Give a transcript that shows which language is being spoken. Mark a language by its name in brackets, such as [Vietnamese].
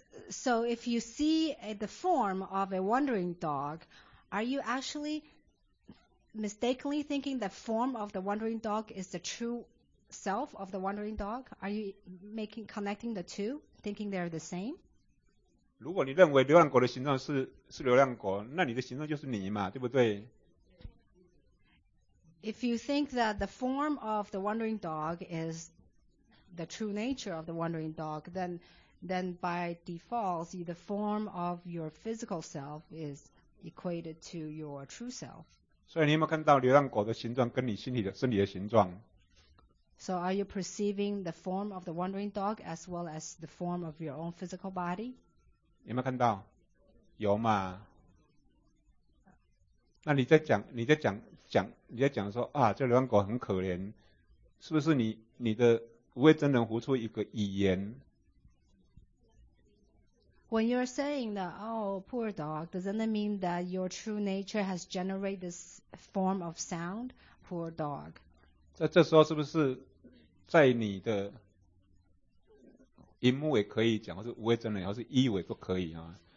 [English] So if you see the form of a wandering dog, are you actually? Mistakenly thinking the form of the wandering dog is the true self of the wandering dog? Are you connecting the two, thinking they're the same? [Chinese] 如果你认为流浪狗的形状是流浪狗，那你的形状就是你嘛，对不对？ [English] If you think that the form of the wandering dog is the true nature of the wandering dog, then by default, the form of your physical self is equated to your true self. [Chinese] 所以你有没有看到流浪狗的形状跟你心里的身体的形状 [English] ？So are you perceiving the form of the wandering dog as well as the form of your own physical body？ [Chinese] 有没有看到？有嘛？那你在讲，你在讲说啊，这流浪狗很可怜，是不是你的无畏真人浮出一个语言？ [English] When you're saying that, oh, poor dog, doesn't it mean that your true nature has generated this form of sound, poor dog? [Chinese] 在这时候是不是在你的荧幕也可以讲，或是无畏真人，或是一维都可以啊？